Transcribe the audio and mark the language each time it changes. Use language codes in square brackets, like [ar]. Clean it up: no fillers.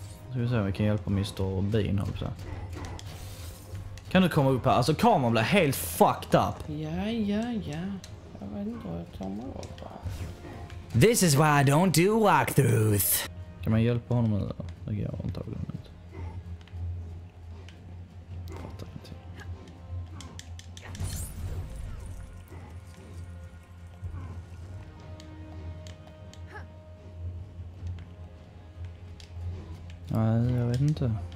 [sv] Ska vi se om vi kan hjälpa Mr. Bean här också. Kan du komma upp här? Alltså kameran blir helt fucked up. Ja, ja, ja. Jag vet inte hur jag tar mig upp här. [en] This is why I don't do walkthroughs. [sv] Kan man hjälpa honom eller? Det går antagligen inte. Fattar inte. Nej, jag vet inte.